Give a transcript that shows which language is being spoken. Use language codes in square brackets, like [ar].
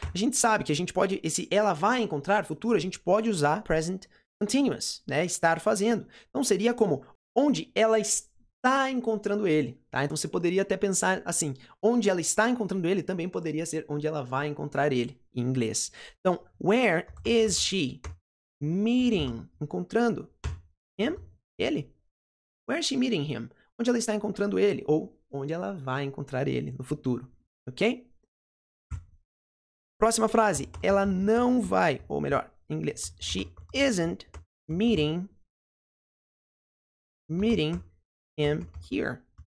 [pt] A gente sabe que a gente pode, esse ela vai encontrar futuro, a gente pode usar present continuous, né? Estar fazendo. Então, seria como onde ela está encontrando ele, tá? Então você poderia até pensar assim, onde ela está encontrando ele também poderia ser onde ela vai encontrar ele, em inglês. Então, [en] where is she meeting, [pt] encontrando [en] him, [pt] ele? [en] Where is she meeting him? [pt] Onde ela está encontrando ele? Ou onde ela vai encontrar ele no futuro, ok? Próxima frase, ela não vai, ou melhor, em inglês, [en] she isn't meeting him here.